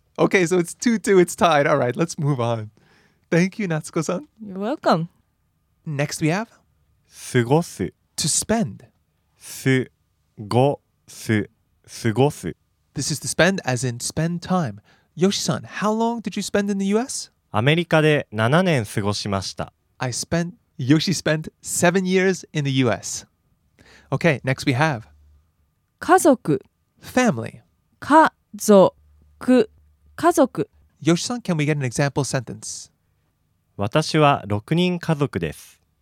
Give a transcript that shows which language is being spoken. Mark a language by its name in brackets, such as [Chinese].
[English] Okay, so it's 2-2, it's tied. All right, let's move on. Thank you, Natsuko-san. You're welcome. Next we have? [Japanese] 過ごす [English] To spend. [Japanese] 過ごす過ごす [English] This is to spend, as in spend time. Yoshi-san, how long did you spend in the US? [Japanese] アメリカで7年過ごしました。 [English] Yoshi spent 7 years in the US. Okay, next we have [Japanese] 家族 [English] Family [Japanese] 家族家族 [English] Yoshi-san, can we get an example sentence? [Japanese] 私は6人家族です